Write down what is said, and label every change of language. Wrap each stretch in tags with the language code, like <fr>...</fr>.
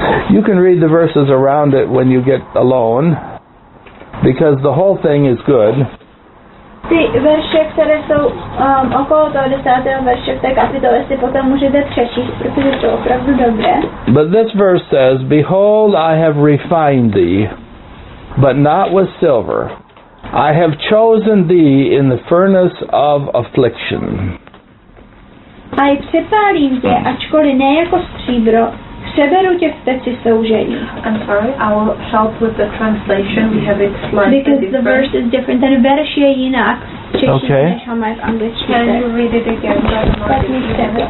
<en>You can read the verses around it when you get alone, because the whole thing is good.</en> <cs>Ty verše, které jsou okolo toho 10. verše v té kapitole, si potom můžete přečíst, protože to je opravdu dobré.</cs> <en>But this verse says, Behold, I have refined thee, but not with silver. I have chosen thee in the furnace of affliction.</en> <cs>A i přepálím tě, ačkoliv ne jako stříbro, přeberu tě v peci soužení.</cs> <en>I'm sorry, I'll help with the translation. We have it slightly different. Because the verse is different.</en> <cs>Ten verš je jinak.</cs> <en>Okay. Can you read it again?</en>